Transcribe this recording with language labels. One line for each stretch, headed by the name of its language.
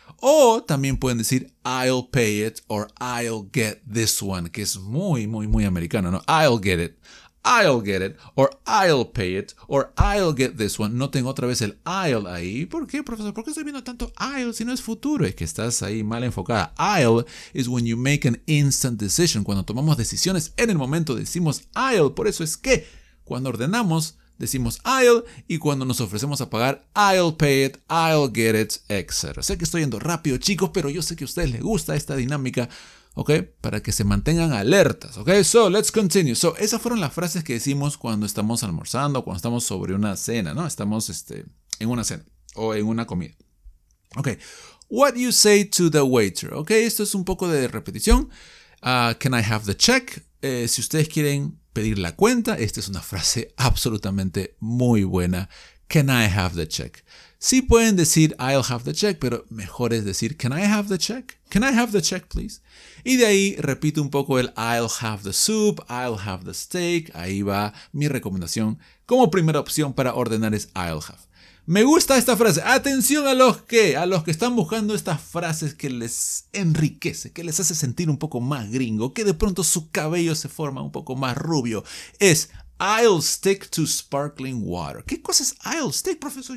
Spanish: O también pueden decir,
English: I'll pay it or I'll get this one,
Spanish: que es muy, muy, muy americano, ¿no?
English: I'll get it. I'll get it or I'll pay it or I'll get this one.
Spanish: Noten otra vez el I'll ahí. ¿Por qué, profesor? ¿Por qué estoy viendo tanto I'll si no es futuro? Es que estás ahí mal enfocada.
English: I'll is when you make an instant decision.
Spanish: Cuando tomamos decisiones en el momento decimos I'll. Por eso es que cuando ordenamos decimos I'll y cuando nos ofrecemos a pagar,
English: I'll pay it, I'll get it,
Spanish: etc. Sé que estoy yendo rápido, chicos, pero yo sé que a ustedes les gusta esta dinámica. ¿ok? Para que se mantengan alertas, ¿ok?
English: So, let's continue.
Spanish: So, esas fueron las frases que decimos cuando estamos almorzando, cuando estamos sobre una cena, ¿no? Estamos en una cena o en una comida. Ok,
English: what you say to the waiter,
Spanish: ¿ok? Esto es un poco de repetición.
English: Can I have the check?
Spanish: Si ustedes quieren pedir la cuenta, esta es una frase absolutamente muy buena.
English: Can I have the check?
Spanish: Sí pueden decir
English: I'll have the check,
Spanish: pero mejor es decir
English: Can I have the check? Can I have the check, please?
Spanish: Y de ahí repito un poco el
English: I'll have the soup, I'll have the steak.
Spanish: Ahí va mi recomendación como primera opción para ordenar es I'll have. Me gusta esta frase. Atención a los que están buscando estas frases que les enriquece, que les hace sentir un poco más gringo, que de pronto su cabello se forma un poco más rubio. Es
English: I'll stick to sparkling water.
Spanish: ¿Qué cosa es I'll stick, profesor?